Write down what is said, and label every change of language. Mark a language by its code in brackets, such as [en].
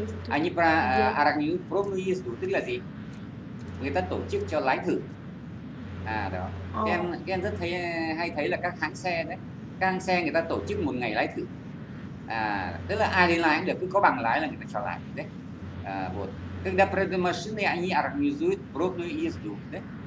[ru] Они организуют пробную езду, ты лази. [vi] Người ta tổ chức cho lái thử. Đó. Em rất hay thấy là các hãng xe đấy. Các hãng xe người ta tổ chức một ngày lái thử. Tức là ai đi lái cũng được, cứ có bằng lái là người ta cho lái đấy. [ru] Вот. Когда продают машины, они организуют пробную езду, да?